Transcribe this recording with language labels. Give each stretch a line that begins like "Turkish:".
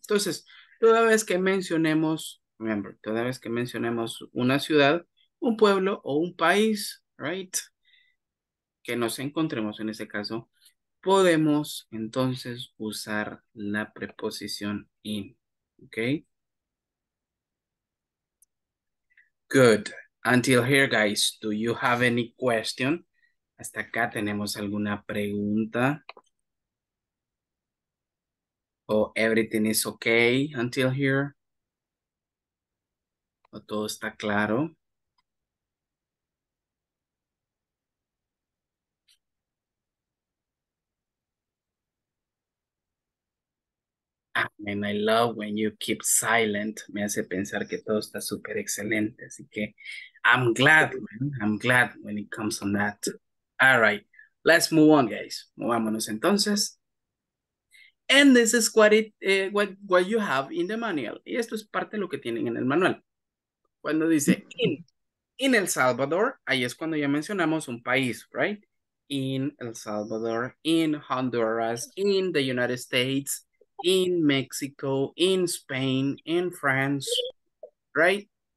Spanish: Entonces, toda vez que mencionemos, remember, toda vez que mencionemos una ciudad, un pueblo o un país, right? Que nos encontremos en ese caso, podemos entonces usar la preposición in, okay?
English: Good. Until here, guys, do you have any question?
Spanish: Hasta acá tenemos alguna pregunta.
English: Oh, everything is okay until here.
Spanish: ¿O todo está claro?
English: And I love when you keep silent.
Spanish: Me hace pensar que todo está súper excelente. Así que
English: I'm glad, man. I'm glad when it comes on that. All right. Let's move on, guys.
Spanish: Movámonos entonces.
English: And this is what you have in the manual.
Spanish: Y esto es parte de lo que tienen en el manual. Cuando dice in El Salvador, ahí es cuando ya mencionamos un país, right?
English: In El Salvador, in Honduras, in the United States, in Mexico, in Spain, in France, right?